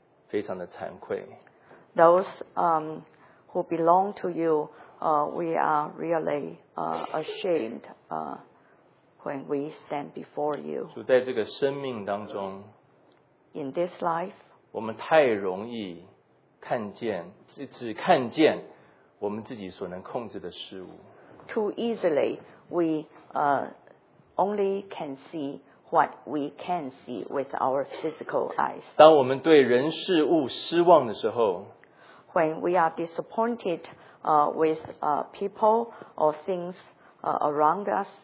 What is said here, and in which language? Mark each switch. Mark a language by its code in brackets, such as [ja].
[zh] 主，我们属于你的人，我们在你的面前真的是非常的惭愧。 [en] Those who belong to you, we are really ashamed. When we stand before you, [zh] 主，在这个生命当中， [en] in this life, [zh] 我们太容易看见只看见我们自己所能控制的事物。 [en] Too easily, we only can see what we can see with our physical eyes. [zh] 当我们对人事物失望的时候， [en] when we are disappointed with people or things around us.